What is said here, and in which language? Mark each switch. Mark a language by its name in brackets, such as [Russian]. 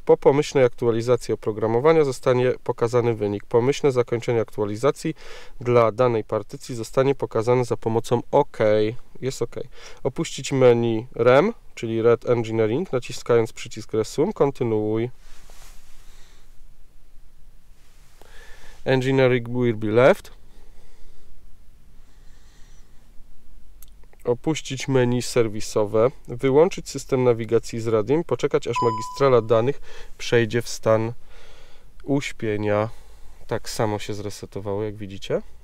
[Polish] Po pomyślnej aktualizacji oprogramowania zostanie pokazany wynik. Pomyślne zakończenie aktualizacji dla danej partycji zostanie pokazane za pomocą OK. Jest OK. Opuścić menu REM, czyli Red Engineering, naciskając przycisk Resume. Kontynuuj. [English] Engineering will be left. [Polish] Opuścić menu serwisowe. Wyłączyć system nawigacji z radiem. Poczekać, aż magistrala danych przejdzie w stan uśpienia. Tak samo się zresetowało, jak widzicie.